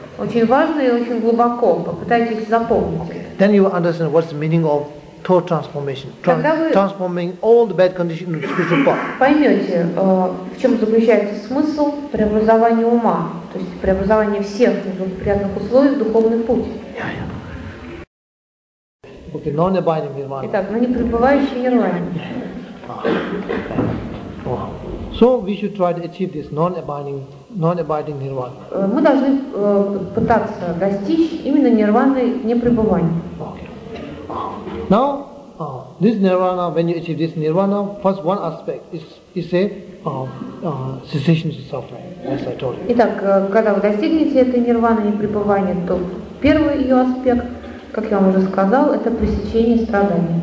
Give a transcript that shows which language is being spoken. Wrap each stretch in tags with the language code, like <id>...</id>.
<ru>Очень важно и очень глубоко. Попытайтесь запомнить.</ru> <en>Okay. Then you understand what's the meaning of total transformation, transforming all the bad conditions into spiritual power.</en> <ru>Поймете, в чем заключается смысл преобразования ума, то есть преобразования всех неблагоприятных условий в духовный путь.</ru> <en>Okay, non-abiding nirvana.</en> <ru>Итак, но не пребывающий нирвана.</ru> <en>So we should try to achieve this non-abiding nirvana.</en> <ru>Мы должны пытаться достичь именно нирваны непребывания.</ru> <en>Now, this nirvana, when you achieve this nirvana, first one aspect is a cessation of suffering, as I told you.</en> <ru>Итак, когда вы достигнете этой нирваны непребывания, то первый ее аспект, как я вам уже сказал, это пресечение страданий.</ru>